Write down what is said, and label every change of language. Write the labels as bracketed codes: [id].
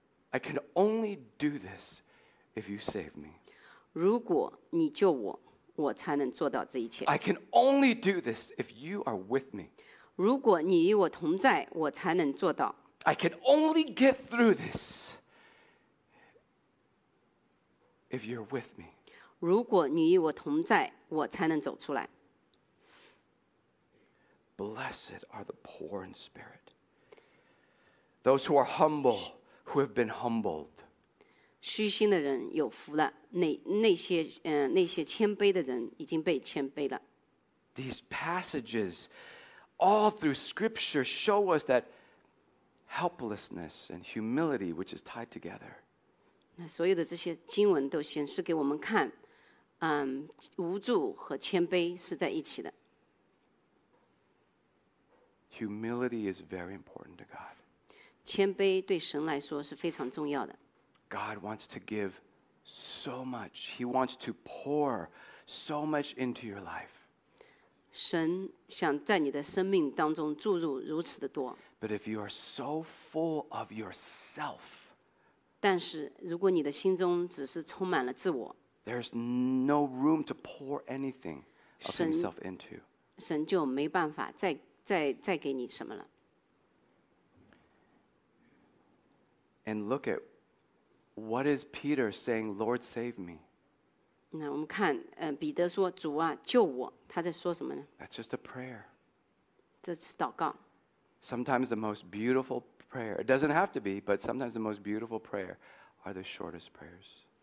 [en] I can only do this if you save me. [zh] 如果你救我我才能做到这一切 [en] I can only do this if you are with me. [zh] 如果你与我同在我才能做到 [en] I can only get through this if you're with me. [zh] 如果你与我同在，我才能走出来。 [en] Blessed are the poor in spirit. Those who are humble, who have been humbled. [zh] 虚心的人有福了，那些谦卑的人已经被谦卑了。 [en] These passages all through Scripture show us that helplessness and humility, which is tied together. [zh] 那所有的这些经文都显示给我们看，无助和谦卑是在一起的。 [en] Humility is very important to God. [zh] 谦卑对神来说是非常重要的。 [en] God wants to give so much. He wants to pour so much into your life. [zh] 神想在你的生命当中注入如此的多。 [en] But if you are so full of yourself, [zh] 但是如果你的心中只是充满了自我 [en] there's no room to pour anything of himself into. [zh] 神就没办法再给你什么了。 [en] And look at what is Peter saying, Lord, save me. [zh] 那我们看，彼得说，主啊，救我。他在说什么呢？ [en] That's just a prayer. [zh] 这是祷告。 [en] Sometimes the most beautiful prayer, it doesn't have to be, but sometimes the most beautiful prayer are the shortest prayers.